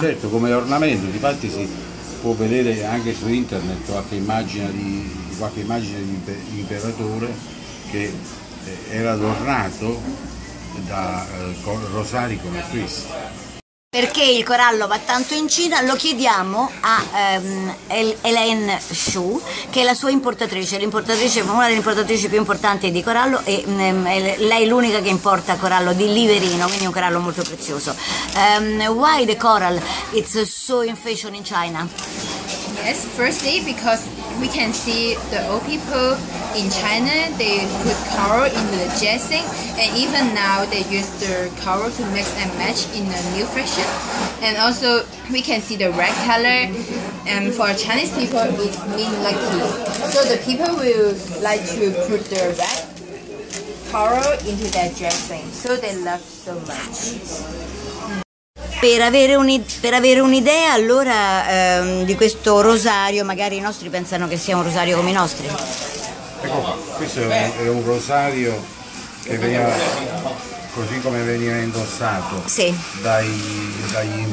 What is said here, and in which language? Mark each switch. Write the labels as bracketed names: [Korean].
[Italian] Certo, come ornamento, difatti si può vedere anche su internet qualche immagine di imperatore che era adornato da rosari come questi. Perché il corallo va tanto in Cina? Lo chiediamo a Elaine Xu, che è la sua importatrice, una delle importatrici più importanti di corallo, e lei è l'unica che importa corallo di Liverino, quindi un corallo molto prezioso. [English] Why the coral is so in fashion in China? Yes, firstly because we can see the old people in China, they put coral in the dressing, and even now they use the coral to mix and match in a new fashion. And also we can see the red color, and for Chinese people it means lucky. So the people will like to put the red coral into their dressing, so they love so much. [Italian] Per avere un'idea allora di questo rosario, magari i nostri pensano che sia un rosario come i nostri. Ecco qua, questo è un rosario che veniva così come veniva indossato. Sì. Dagli imperatori.